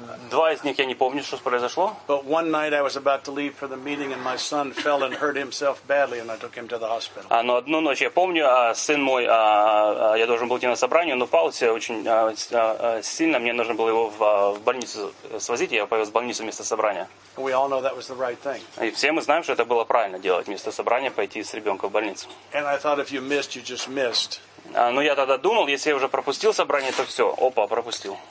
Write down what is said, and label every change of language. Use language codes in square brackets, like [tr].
[ru] Два из них я не помню, что произошло. [en] But one night I was about to leave for the meeting, and my son fell and hurt himself badly, and I took him to the hospital. [ru] Но одну ночь я помню, сын мой, я должен был идти на собрание, он упал, все очень сильно, мне нужно было его в больницу свозить, я повез в больницу вместо собрания. [en] We all know that was the right thing. [ru] И все мы знаем, что это было правильно делать, вместо собрания пойти с ребенком в больницу. [en] And I thought, if you missed, you just missed. [ru] Ну, я тогда думал, если я уже пропустил собрание, то все, опа, пропустил.